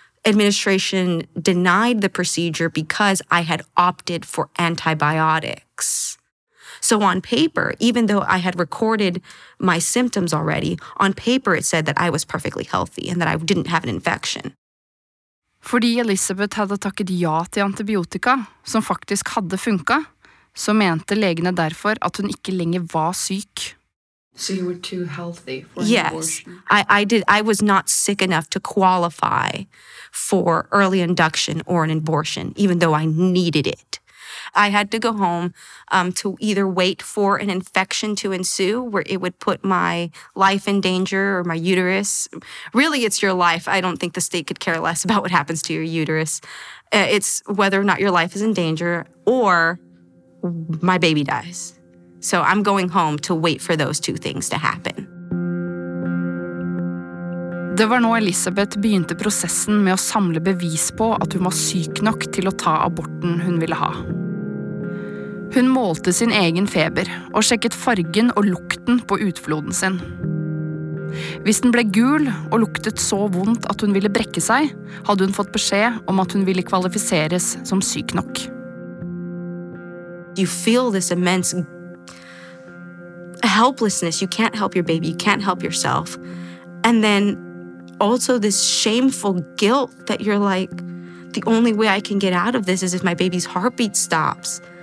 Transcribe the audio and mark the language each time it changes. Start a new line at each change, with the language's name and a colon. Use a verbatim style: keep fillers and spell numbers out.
English: Administration denied the procedure because I had opted for antibiotics. So on paper, even though I had recorded my symptoms already, on paper it said that I was perfectly healthy and that I didn't have an infection.
Norwegian: Fordi Elisabeth hadde takket ja til antibiotika, som faktisk hadde funket, så mente legene derfor at hun ikke lenger var syk.
English: So you were too healthy for an yes, abortion? Yes, I, I did. I was not sick enough to qualify for early induction or an abortion, even though I needed it. I had to go home um, to either wait for an infection to ensue, where it would put my life in danger or my uterus. Really, it's your life. I don't think the state could care less about what happens to your uterus. Uh, it's whether or not your life is in danger or my baby dies. So I'm going home to wait for those two things to happen.
Norwegian: Det var nå Elisabeth begynte prosessen med å samle bevis på at hun var syk nok til å ta aborten hun ville ha. Hun målte sin egen feber og sjekket fargen og lukten på utfloden sin. Hvis den ble gul og luktet så vondt at hun ville brekke seg, hadde hun fått beskjed om at hun ville kvalifiseres som syk nok.
English: You feel this immense helplessness. You can't help your baby. You can't help yourself. And then also this shameful guilt that you're like, the only way I can get out of this is if my baby's heartbeat stops.